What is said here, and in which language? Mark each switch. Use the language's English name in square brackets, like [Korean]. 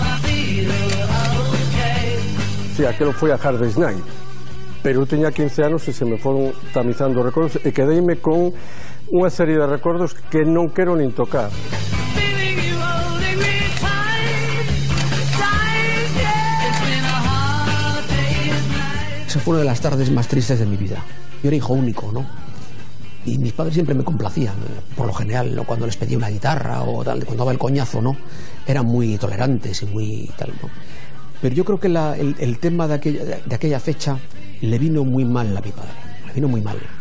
[Galician] Sí, aquilo foi a Hard Day's Night. Pero eu teña 15 anos e se me foron tamizando recordos e quedeime con unha serie de recordos que non quero nin tocar. Esa foi unha das tardes máis tristes de mi vida. Eu era [Spanish] hijo único, ¿no? Y mis padres siempre me complacían, por lo general, ¿no? Cuando les pedía una guitarra o tal, cuando daba el coñazo, ¿no? Eran muy tolerantes y muy tal, ¿no? Pero yo creo que el tema de aquella fecha le vino muy mal a mi padre, le vino muy mal.